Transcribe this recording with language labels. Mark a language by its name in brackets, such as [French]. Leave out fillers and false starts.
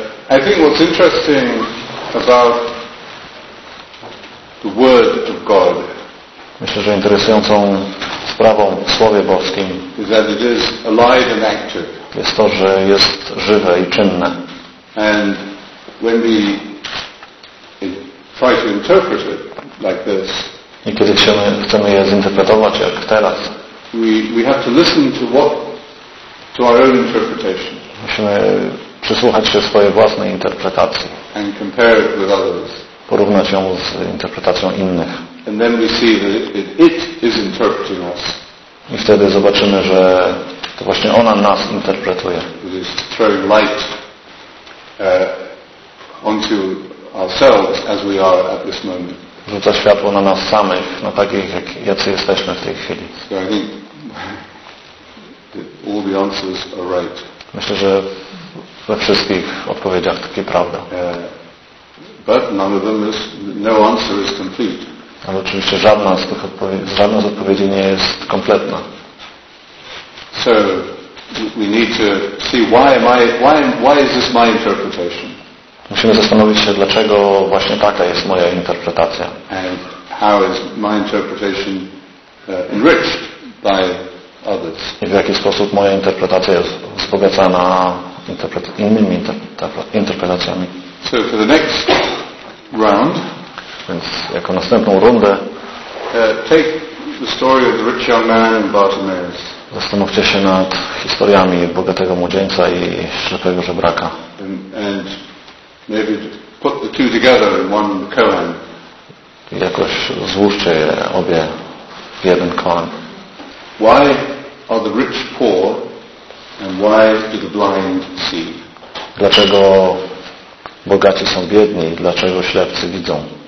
[English] I think what's interesting about the Word of God. [Polish] Myślę, że interesującą sprawą w Słowie Boskim [English] is that it is alive and active. [Polish] Jest to, że jest żywe i czynne. [English] And when we try to interpret it like this, [Polish] i kiedy chcemy je zinterpretować jak teraz, [English] we have to listen to our own interpretation. [Polish] Musimy przysłuchać się swojej własnej interpretacji. [English] And compare it with others. [Polish] Porównać ją z interpretacją innych. [English] And then we see that it is interpreting us. [Polish] I wtedy zobaczymy, że to właśnie ona nas interpretuje. [English] It is throwing light onto ourselves as we are at this moment. [Polish] Rzuca światło na nas samych, na takich, jacy jesteśmy w tej chwili. [English] So I think all the answers are right. [Polish] Myślę, że we wszystkich odpowiedziach taka prawda. [English] But none of them is, no answer is complete. [Polish] Ale oczywiście żadna z odpowiedzi nie jest kompletna. [English] So we need to see why is this my interpretation? [Polish] Musimy zastanowić się, dlaczego właśnie taka jest moja interpretacja. [English] And how is my interpretation enriched by others? [Polish] I w jaki sposób moja interpretacja jest wzbogacana innymi interpretacjami. [English] So for the next round, [Polish] więc jako następną rundę, [English] take the story of the rich young man and Bartimaeus. [Polish] Zastanówcie się nad historiami bogatego młodzieńca i ślepego żebraka. [English] And maybe put the two together in one koan. [Polish] Jakoś złóżcie je obie w jeden koan. [English] Why are the rich poor and why do the blind see? [Polish] Dlaczego bogaci są biedni i dlaczego ślepcy widzą?